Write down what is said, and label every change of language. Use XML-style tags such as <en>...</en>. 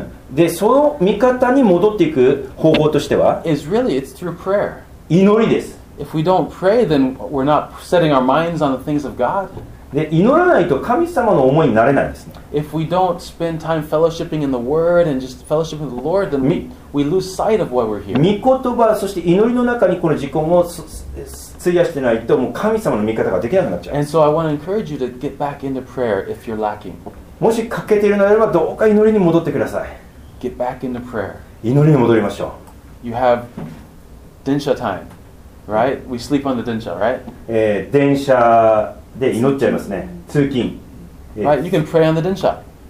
<ja>で、その見方に戻っていく方法としては、</ja> <en>is really it's through prayer.</en> <ja>祈りです。</ja> <en>If we don't pray, then we're not setting our minds on the things of God.</en> <ja>で祈らないと神様の思いになれないですね。</ja> <en>If we don't spend time fellowshipping in the Word and just fellowshipping with the Lord, then we lose sight of why we're here.</en> <ja>御言葉そして祈りの中にこの時間を費やしてないともう神様の見方ができなくなっちゃう。</ja> <en>And so I want to encourage you to get back into prayer if you're lacking.</en> <ja>もし欠けているのであればどうか祈りに戻ってください。</ja> <en>Get back into prayer.</en> <ja>祈りに戻りましょう。</ja> <en>You have 電車 time, right? We sleep on the 電車, right?</en> <ja>電車で祈っちゃいますね。通勤。</ja> <en>Right, you can pray on the 電車。</en>